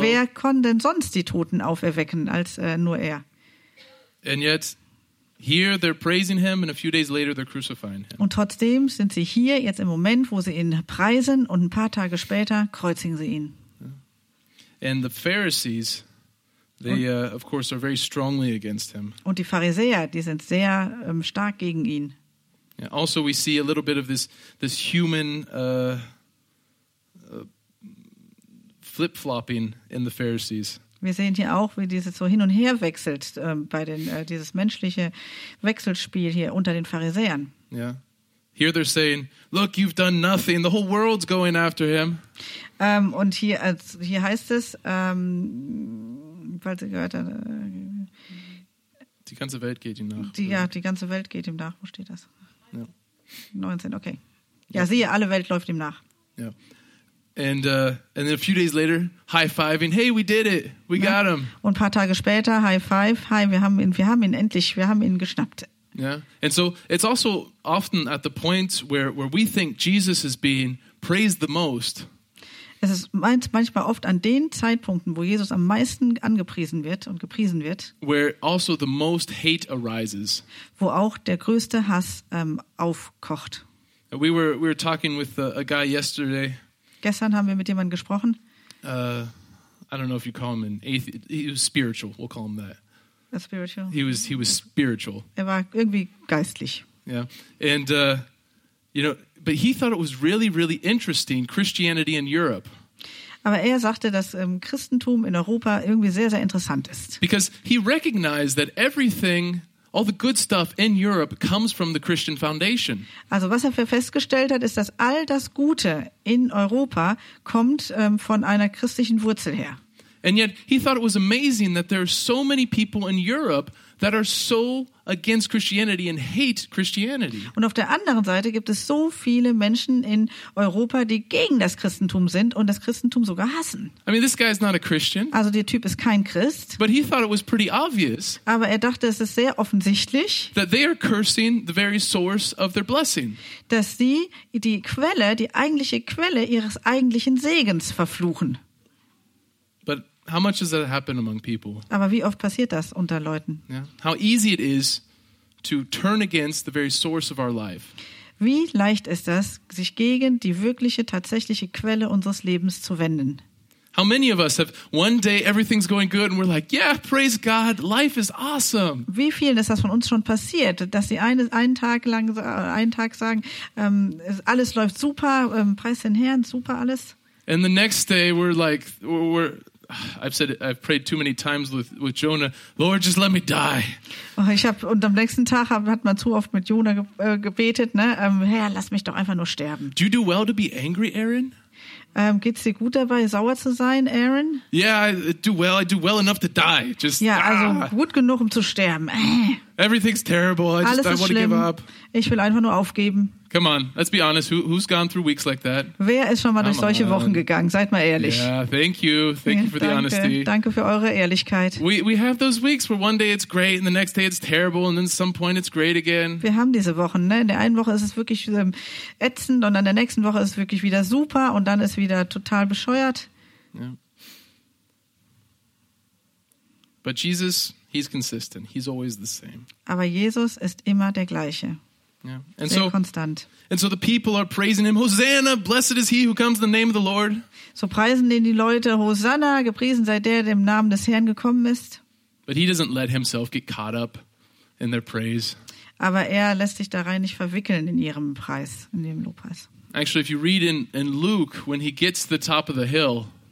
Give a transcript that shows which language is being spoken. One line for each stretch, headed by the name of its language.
German: Wer konnte denn sonst die Toten auferwecken als nur er?
English: And yet, Here they're praising him, and a few days later they're crucifying him.
German: Und trotzdem sind sie hier jetzt im Moment, wo sie ihn preisen, und ein paar Tage später kreuzigen sie ihn.
English: And the Pharisees, they of course are very strongly against him.
German: Und die Pharisäer, die sind sehr stark gegen ihn.
English: Yeah, also we see a little bit of this human flip-flopping in the Pharisees.
German: Wir sehen hier auch, wie dieses so hin und her wechselt bei den dieses menschliche Wechselspiel hier unter den Pharisäern.
English: Yeah. Here they're saying, look, you've done nothing. The whole world's going after him.
German: Und hier heißt es, falls ihr gehört habt, die ganze Welt geht ihm nach. Die ganze Welt geht ihm nach. Wo steht das? Ja. 19, okay. Ja, ja, siehe, alle Welt läuft ihm nach. Ja.
English: And then a few days later, high-fiving, hey, we did it, we got him.
German: Und ein paar Tage später, high-five, hi, wir haben ihn endlich, wir haben ihn geschnappt.
English: Yeah, and so it's also often at the point where we think Jesus is being praised the most.
German: Es ist manchmal oft an den Zeitpunkten, wo Jesus am meisten angepriesen wird und gepriesen wird.
English: Where also the most hate arises.
German: Wo auch der größte Hass aufkocht.
English: We were talking with a guy yesterday.
German: Gestern haben wir mit jemandem gesprochen.
English: I don't know if you call him an atheist. He was spiritual. We'll call him that. A spiritual. He was spiritual.
German: Er war irgendwie geistlich.
English: Yeah, and you know, but he thought it was really, really interesting Christianity in Europe.
German: Aber er sagte, dass Christentum in Europa irgendwie sehr, sehr interessant ist.
English: Because he recognized that everything. All the good stuff in Europe comes from the Christian Foundation.
German: Also, was er festgestellt hat, ist, dass all das Gute in Europa kommt von einer christlichen Wurzel her.
English: And yet, he thought it was amazing that there are so many people in Europe that are so against Christianity and hate Christianity.
German: Und auf der anderen Seite gibt es so viele Menschen in Europa, die gegen das Christentum sind und das Christentum sogar hassen.
English: I mean, this guy is not a Christian.
German: Also der Typ ist kein Christ.
English: But he thought it was pretty obvious.
German: Aber er dachte, es ist sehr offensichtlich.
English: That they are cursing the very source of their blessing.
German: Dass sie die Quelle, die eigentliche Quelle ihres eigentlichen Segens verfluchen.
English: How much does that happen among people?
German: Aber wie oft passiert das unter Leuten?
English: Yeah. How easy it is to turn against the very source of our life.
German: Wie leicht ist das, sich gegen die wirkliche, tatsächliche Quelle unseres Lebens zu wenden?
English: How many of us have one day everything's going good and we're like, yeah, praise God, life is awesome.
German: Wie vielen ist das von uns schon passiert, dass sie einen Tag sagen, alles läuft super, preis den Herrn, super alles?
English: And the next day we're like, I've prayed too many times with Jonah. Lord, just let me die.
German: Und am nächsten Tag hat man zu oft mit Jonah gebetet, ne? Herr, lass mich doch einfach nur sterben.
English: Do you do well to be angry, Aaron?
German: Geht's dir gut dabei, sauer zu sein, Aaron?
English: Yeah, I do well enough to die. Just,
German: ja, also gut genug, um zu sterben.
English: Everything's terrible. I just want to give up.
German: Ich will einfach nur aufgeben.
English: Come on, let's be honest. Who's gone through weeks like that?
German: Wer ist schon mal durch solche Wochen gegangen? Seid mal ehrlich.
English: Yeah, thank you for the honesty.
German: Danke für eure Ehrlichkeit.
English: We have those weeks where one day it's great and the next day it's terrible and then some point it's great again.
German: Wir haben diese Wochen, ne? In der einen Woche ist es wirklich ätzend und dann der nächsten Woche ist es wirklich wieder super und dann ist wieder total bescheuert.
English: Yeah. But Jesus, he's consistent. He's always the same.
German: Aber Jesus ist immer der gleiche.
English: Yeah. And so the people are praising him. Hosanna, blessed is he who comes in the name of the Lord.
German: So preisen den die Leute. Hosanna, gepriesen sei der, der im Namen des Herrn gekommen ist.
English: But he doesn't let himself get caught up in their praise.
German: Aber er lässt sich da rein nicht verwickeln in ihrem Preis, in dem Lobpreis.
English: Actually, if you read in Luke, when he gets to the top of the hill.